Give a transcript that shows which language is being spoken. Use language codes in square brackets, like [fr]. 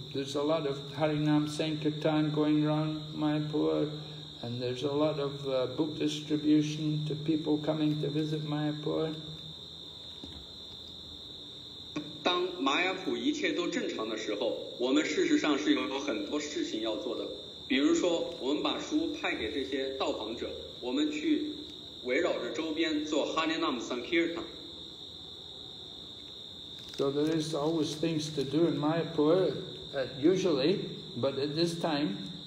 [en] There's a lot of Harinam Sankirtan going around Mayapur. And there's a lot of book distribution to people coming to visit Mayapur. [zh] 当马雅普一切都正常的时候，我们事实上是有很多事情要做的。比如说，我们把书派给这些到访者，我们去围绕着周边做哈利纳姆桑基尔坦。 [en] So there is always things to do in Mayapur, usually, but at this time.